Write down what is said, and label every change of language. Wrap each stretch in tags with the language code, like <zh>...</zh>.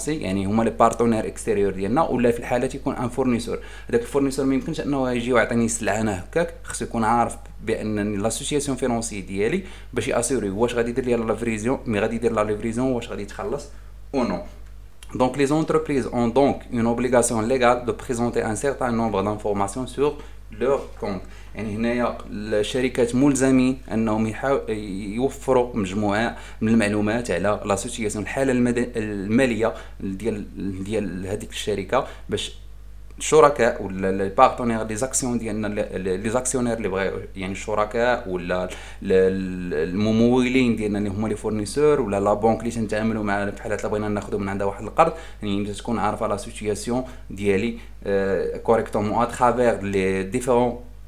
<ar>يعني هما لي بارتنير اكستيريور ديالنا ولا في الحالات يكون ان فورنيسور هذاك الفورنيسور ما يمكنش انه يجي ويعطيني السلعه انا هكاك خصو يكون عارف بان لاسوسياسيون فينونسي ديالي باش ياسوري واش غادي يدير لي لا ليفريزيون مي غادي يدير لا ليفريزيون واش غادي يتخلص او نو.</ar> <fr>Donc, les entreprises ont donc une obligation légale de présenter un certain nombre d'informations sur leur compte.</fr> <ar>يعني هنايا الشركات ملزمين انهم يوفروا مجموعه من المعلومات على لاسوسياسيون الحاله الماليه ديال هذيك الشركه باش الشركاء ولا لي بارتنير لي زاكسيون ديالنا لي زاكسيونير اللي بغاو يعني الشركاء ولا الممولين ديالنا اللي هما لي فورنيسور ولا لا بانك اللي تنتعاملوا معاها في حالات بغينا ناخذوا من عندها واحد القرض يعني تكون عارفه لا سيتوياسيون ديالي كوريكتومون ا ترافير لي ديفيرون</ar>